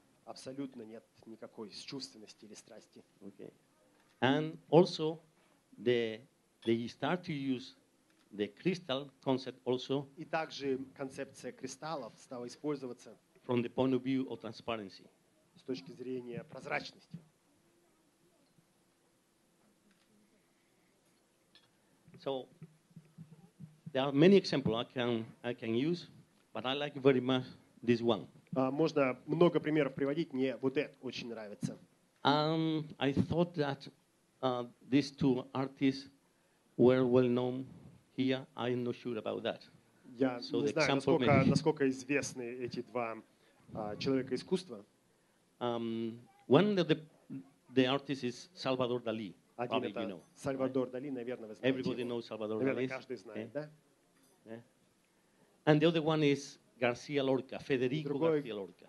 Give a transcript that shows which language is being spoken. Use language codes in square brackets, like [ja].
[ru] Абсолютно нет никакой чувственности или страсти. [en] Okay. And also they start to use the crystal concept also. [ru] И также концепция кристаллов стала использоваться [en] from the point of view of transparency. [ru] С точки зрения прозрачности. [en] So there are many examples I can use, but I like very much this one. [ru] Можно много примеров приводить, мне вот это очень нравится. [en] I thought that these two artists were well known here. I'm not sure about that. [ru] Я so не знаю, насколько известны эти два человека искусства. [en] One of the artists is Сальвадор Дали. [ru] Один это [en] you know, Сальвадор right? [ru] Дали, наверное, вы знаете. [en] Everybody [ru] его. [en] Knows Salvador [ru] наверное, [en] Dali. [ru] Каждый знает, yeah. да? [en] Yeah. And the other one is Гарсиа Лорка, Федерико Гарсия Лорка.